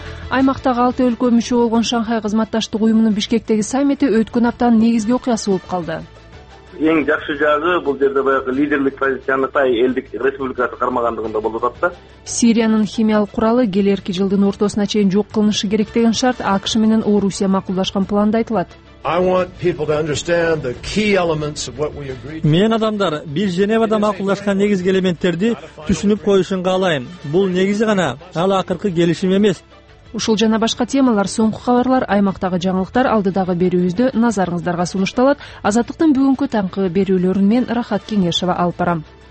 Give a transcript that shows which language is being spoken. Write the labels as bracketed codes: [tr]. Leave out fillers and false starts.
[ky] Аймактагы 6 өлкө мүчө болгон Шанхай кызматташтык уюмунун Бишкектеги саммити өткөн аптанын негизги окуясы болуп калды. Эң жакшы жагы бул жерде баягы лидерлик позицияны Кытай элдик республикасы кармагандыгында болуп атты. Сириянын химиялык куралы келерки жылдын ортосуна чейин жок кылынышы керек деген шарт АКШ менен Орусия макулдашкан планда айтылат. [en] I want people to understand the key elements of what we agreed. [ky] Мен адамдар биз Женевада макулдашкан негизги элементтерди түшүнүп коюшун каалайм. Бул негизи гана ал акыркы келишим эмес. Ушул жана башка темалар, соңку кабарлар, аймактагы жаңылыктар алдыдагы берүүбүздө назарыңыздарга сунушталат. Азаттыктын бүгүнкү таңкы берүүлөрүн мен Рахат Кеңешова алып барам.